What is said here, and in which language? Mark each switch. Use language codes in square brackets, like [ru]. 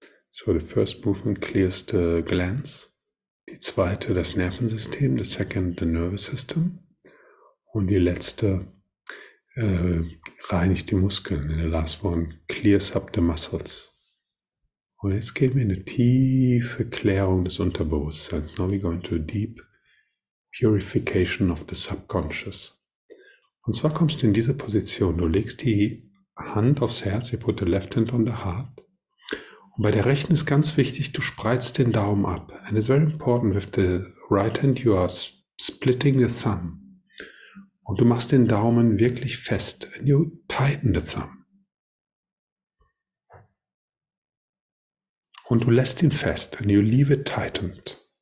[en] So the first movement clears the glands. Die zweite das Nervensystem, the second the nervous system. [de] Und die letzte reinigt die Muskeln. [en] And the last one clears up the muscles. [de] Und jetzt geben wir eine tiefe Klärung des Unterbewusstseins. [en] Now we go into a deep purification of the subconscious. [de] Und zwar kommst du in diese Position. Du legst die Hand aufs Herz, you put the left hand on the heart. Und bei der rechten ist ganz wichtig, du spreizst den Daumen ab. [en] And it's very important, with the right hand you are splitting the thumb. [de] Und du machst den Daumen wirklich fest. And you tighten the thumb. Und du lässt ihn fest. And you leave it tightened.